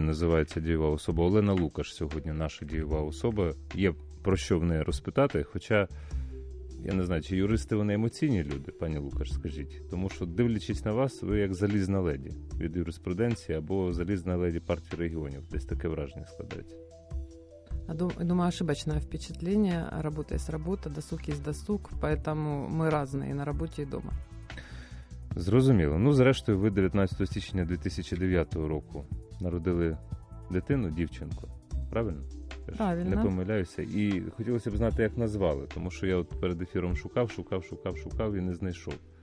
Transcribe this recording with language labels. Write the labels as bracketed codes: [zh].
[uk] Називається «Дієва особа». Олена Лукаш сьогодні наша дієва особа. Є про що в неї розпитати, хоча, я не знаю, чи юристи вони емоційні люди, пані Лукаш, скажіть. Тому що, дивлячись на вас, ви як залізна леді від юриспруденції або залізна леді партії регіонів. Десь таке враження складається. [ru] Думаю, ошибочное впечатление. Работа есть работа, досуг есть досуг, поэтому мы разные на работе и дома. [uk] Зрозуміло. Ну, зрештою, ви 19 січня 2009 року народили дитину, дівчинку. Правильно? Правильно. Не помиляюся. І хотілося б знати, як назвали, тому що я от перед ефіром шукав і не знайшов.